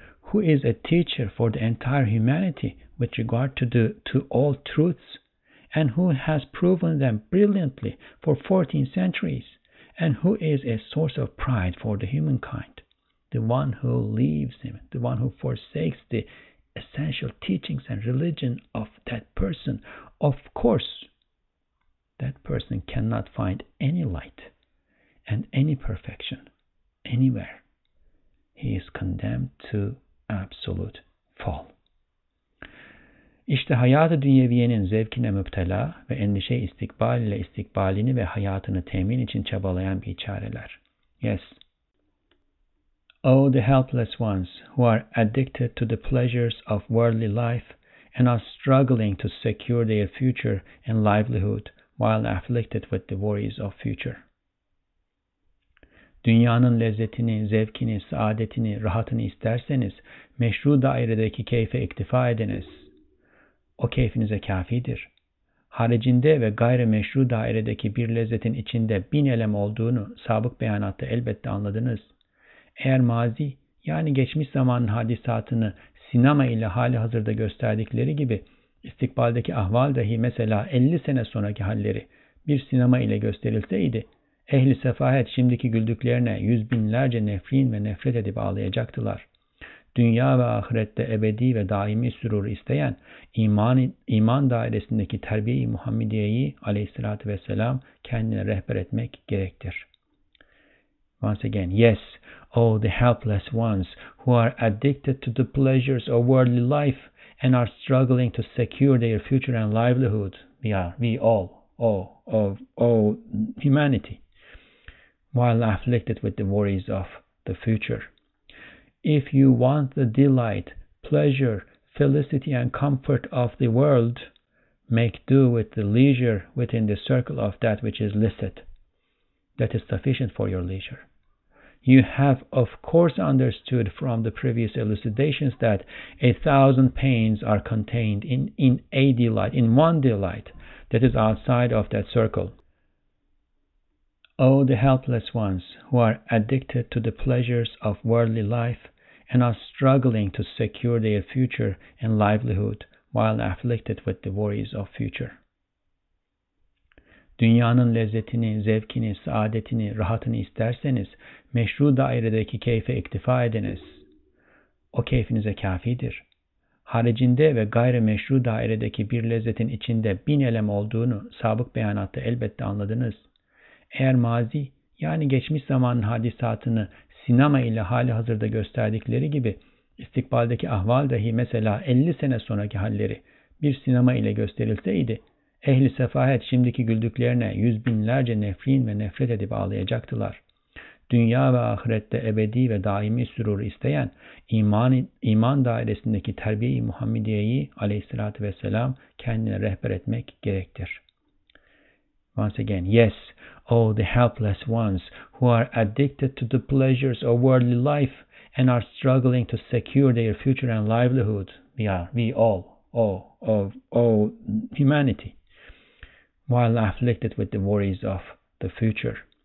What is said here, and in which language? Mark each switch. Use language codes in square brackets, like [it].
[en] who is a teacher for the entire humanity with regard to all truths, and who has proven them brilliantly for 14 centuries, and who is a source of pride for the humankind, the one who leaves him, the one who forsakes the essential teachings and religion of that person, of course, that person cannot find any light and any perfection anywhere. He is condemned to absolute fall. [tr] İşte hayatı dünyeviyenin zevkine müptela ve endişe istikbal ile istikbalini ve hayatını temin için çabalayan biçareler. [en] Yes. Oh, the helpless ones who are addicted to the pleasures of worldly life and are struggling to secure their future and livelihood while afflicted with the worries of future. [tr] Dünyanın lezzetini, zevkini, saadetini, rahatını isterseniz meşru dairedeki keyfe iktifa ediniz. O keyfinize kafidir. Haricinde ve gayri meşru dairedeki bir lezzetin içinde bin elem olduğunu sabık beyanatta elbette anladınız. Eğer mazi, yani geçmiş zamanın hadisatını sinema ile hali hazırda gösterdikleri gibi, istikbaldeki ahval dahi mesela 50 sene sonraki halleri bir sinema ile gösterilseydi, ehli sefahet şimdiki güldüklerine yüz binlerce nefrin ve nefret edip ağlayacaktılar. Dünya ve ahirette ebedi ve daimi sürur isteyen iman dairesindeki terbiye-i Muhammediye'yi aleyhissalatü vesselam kendine rehber etmek gerektir. [en] Once again, yes, oh the helpless ones who are addicted to the pleasures of worldly life and are struggling to secure their future and livelihood, we all, humanity, while afflicted with the worries of the future. If you want the delight, pleasure, felicity and comfort of the world, make do with the leisure within the circle of that which is licit, that is sufficient for your leisure. You have of course understood from the previous elucidations that 1,000 pains are contained in a delight, in one delight, that is outside of that circle. Oh, the helpless ones who are addicted to the pleasures of worldly life, and are struggling to secure their future and livelihood while afflicted with the worries of future. [tr] Dünyanın lezzetini, zevkini, saadetini, rahatını isterseniz, meşru dairedeki keyfe iktifa ediniz. O keyfinize kafidir. Haricinde ve gayri meşru dairedeki bir lezzetin içinde bin elem olduğunu sabık beyanatta elbette anladınız. Eğer mazi, yani geçmiş zamanın hadisatını sinema ile hali hazırda gösterdikleri gibi, istikbaldeki ahval dahi mesela 50 sene sonraki halleri bir sinema ile gösterilseydi, Ehli sefahet şimdiki güldüklerine yüz binlerce nefrin ve nefret edip ağlayacaktılar. Dünya ve ahirette ebedi ve daimi sürur isteyen iman dairesindeki terbiye-i Muhammediye'yi aleyhissalatü vesselam kendine rehber etmek gerektir. [en] Once again, yes, oh, the helpless ones who are addicted to the pleasures of worldly life and are struggling to secure their future and livelihood, we all, humanity, while afflicted with the worries of the future.